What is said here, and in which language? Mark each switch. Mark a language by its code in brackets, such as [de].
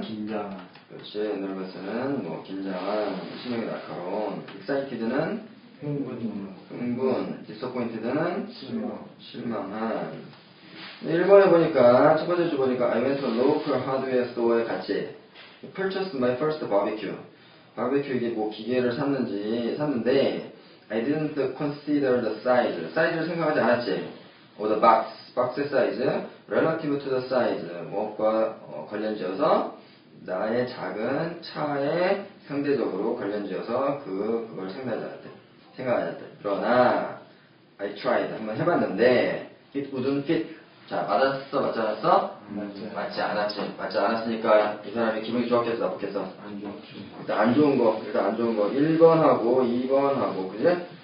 [ko] 긴장. 그렇지, nervous는 뭐 긴장한, 신경이 날카로운. excited는 흥분. disappointed는 실망한. 1번에 보니까, 첫 번째 주 보니까 [en] I went to a local hardware store에 [ko] 갔지. [en] purchased my first barbecue. [ko] 바베큐 이게 뭐 기계를 샀는지 샀는데 [en] I didn't consider the size. [ko] 사이즈를 생각하지 않았지. [en] or the box. [ko] 박스 사이즈, [en] relative to the size, [ko] 무엇과 관련지어서 나의 작은 차에 상대적으로 관련지어서 그걸 생각하셨대. 그러나 [en] I tried, [ko] 한번 해봤는데 [en] it wouldn't fit. [ko] 자, 맞았어, 맞지 않았어? 맞지 않았지. 맞지 않았으니까 이 사람이 기분이 좋았겠어, 나쁘겠어? 안 좋았지. 일단 안 좋은 거, 일단 안 좋은 거 1번하고 2번하고, 그지?